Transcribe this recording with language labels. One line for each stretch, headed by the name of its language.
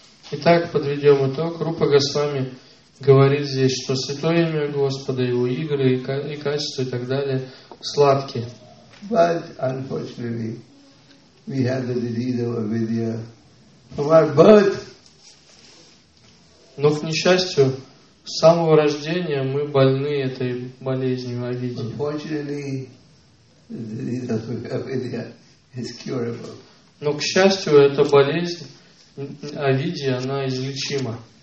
Russian: Итак, подведем итог. Рупа Госвами говорит здесь, что святое имя Господа, его игры и качества и так далее сладки.
English: But unfortunately, we have the disease of avidya from our birth.
Russian: Но к несчастью, с самого рождения мы больны этой болезнью авидьи.
English: Unfortunately, the disease of avidya is curable.
Russian: Но к счастью, эта болезнь авидьи, она излечима.